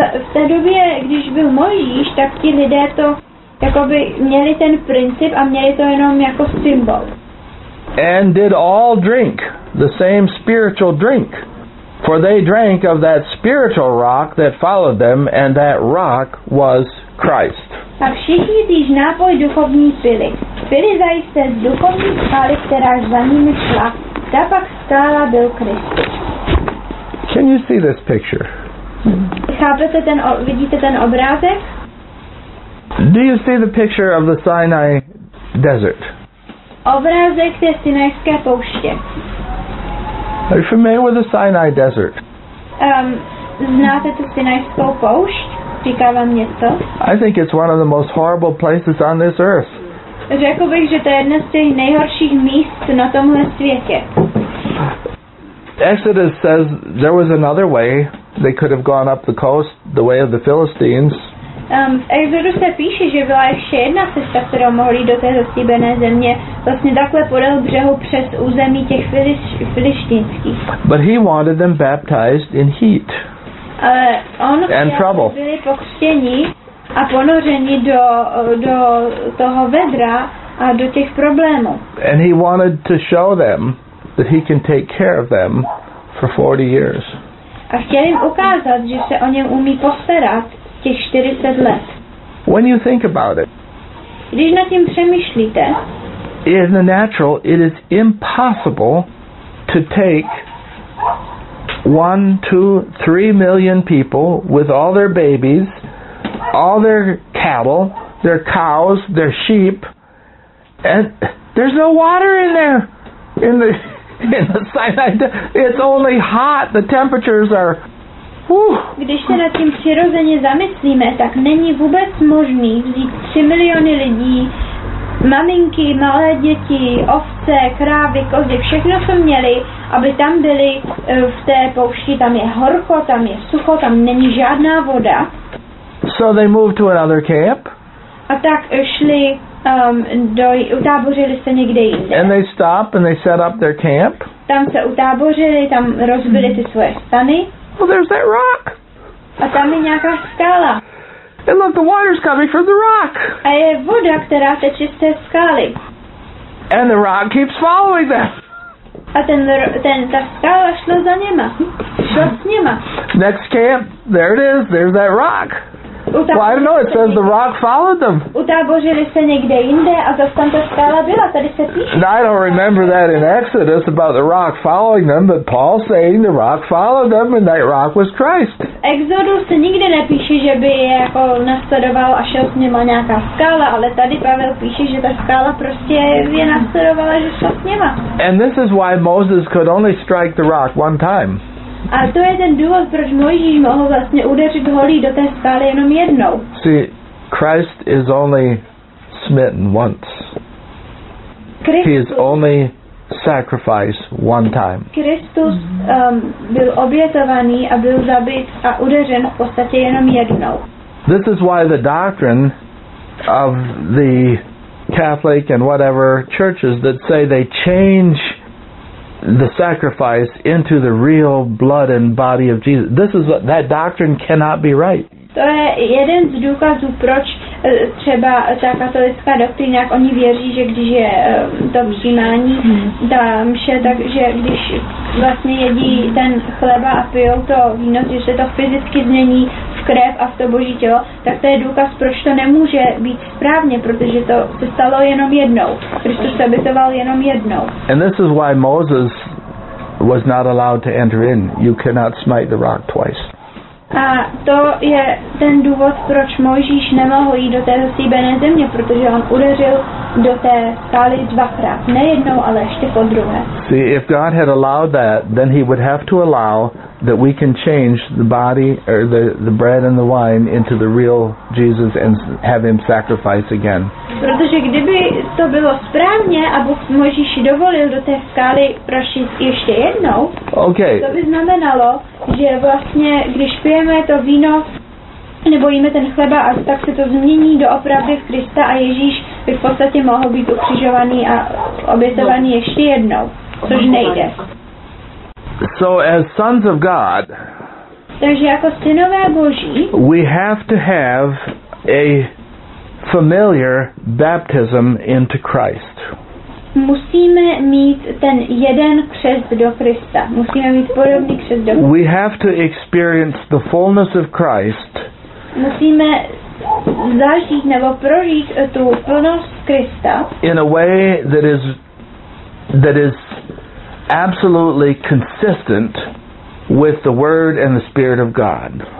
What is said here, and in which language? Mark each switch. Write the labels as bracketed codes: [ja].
[cs] V té době, když byl Mojžíš, tak ti lidé to jakoby měli ten princip a měli to jenom jako symbol. [en] And did all drink the same spiritual drink? For they drank of that spiritual rock that followed them, and that rock was Christ. [cs] A všichni tíž nápoj duchovní pili. Pili zajisté z duchovní skály, která za nimi šla. Ta pak stála byl Kristus. [en] Can you see this picture? [cs] Chápete ten, vidíte ten obrázek? [en] Do you see the picture of the Sinai desert? [cs] Obrázek té Sinajské pouště. [en] Are you familiar with the Sinai desert? [cs] Znáte tu Sinajskou poušť? Říká vám něco? [en] I think it's one of the most horrible places on this earth. [cs] Řekl bych, že to je jedno z těch nejhorších míst na tomhle světě. [en] Exodus says there was another way they could have gone up the coast, the way of the Philistines. [cs] V Exodu se píše, že byla ještě jedna cesta, kterou mohli do té zaslíbené země, vlastně takhle podél břehu přes území těch filištínských. [en] But he wanted them baptized in heat. On and trouble. [cs] Byli pokřtěni a ponoření do toho vedra a do těch problémů. [en] And he wanted to show them that he can take care of them for 40 years. [cs] A chtěl jim ukázat, že se o něm umí postarat těch 40 let. [en] When you think about it, [cs] když nad tím přemýšlíte, [en] in the natural, it is impossible to take 1, 2, 3 million people with all their babies, all their cattle, their cows, their sheep, and there's no water in there, in the Sinai. It's only hot. The temperatures are. [cs] Když se nad tím přirozeně zamyslíme, tak není vůbec možný vzít 3 miliony lidí, maminky, malé děti, ovce, krávy, kozy, všechno, co měli, aby tam byli v té poušti. Tam je horko, tam je sucho, tam není žádná voda. [en] So they moved to another camp. [cs] A tak šli utábořili se někde jinde. [en] And they stopped and they set up their camp. [cs] Tam se utábořili, tam rozbili ty svoje stany. [en] Well, there's that rock. [cs] A tam je nějaká skála. [en] And look, the water's coming from the rock. [cs] A je voda, která teče z té skály. [en] And the rock keeps following them. [cs] A ta skála šla za něma. Šla s něma. [en] Next camp, there it is, there's that rock. Well, I don't know, it says the rock followed them. [cs] Utábořili se někde jinde a zase tam ta skála byla, tady se píše. [en] I don't remember that in Exodus about the rock following them, but Paul saying the rock followed them and that rock was Christ. [cs] Exodus se nikde nepíše, že by je jako nasledoval a šel s něma nějaká skála, ale tady Pavel píše, že ta skála prostě je nasledovala, že šel s něma. [en] And this is why Moses could only strike the rock one time. [cs] A to je ten důvod, proč Mojžíš mohl vlastně udeřit holí do té skály jenom jednou. [en] See, Christ is only smitten once. [cs] Kristus, [en] he is only sacrificed one time. [cs] Kristus byl obětovaný a byl zabit a udeřen v podstatě jenom jednou. [en] This is why the doctrine of the Catholic and whatever churches that say they change the sacrifice into the real blood and body of Jesus. This is what, that doctrine cannot be right. [cs] To je jeden z důkazů, proč třeba ta katolická doktrína, jak oni věří, že když je to vzímání, ta mše, takže když vlastně jedí ten chleba a pijou to víno, že se to fyzicky změní v krev a v to boží tělo, tak to je důkaz, proč to nemůže být správně, protože to se stalo jenom jednou, protože to se obětoval jenom jednou. [en] And this is why Moses was not allowed to enter in. You cannot smite the rock twice. [cs] A to je ten důvod, proč Mojžíš nemohl jít do té zaslíbené země, protože on udeřil do té skály dvakrát, ne jednou, ale ještě po druhé. [en] See, if God had allowed that, then he would have to allow that we can change the body or the bread and the wine into the real Jesus and have him sacrifice again. [cs] Protože kdyby to bylo správně a Bůh Mojžíši dovolil do té skály prošít ještě jednou, okay. To by znamenalo, že vlastně, když pijeme to víno, nebo jíme ten chleba, a tak se to změní doopravdy v Krista a Ježíš by v podstatě mohl být ukřižovaný a obětovaný ještě jednou, což nejde. [en] So as sons of God, [cs] takže jako synové Boží, [en] we have to have a familiar baptism into Christ. [cs] Musíme mít ten jeden křest do Krista. Musíme mít podobný křest do Krista. [en] We have to experience the fullness of Christ. [cs] Musíme zažít nebo prožít tu plnost Krista. [en] In a way that is absolutely consistent with the Word and the Spirit of God.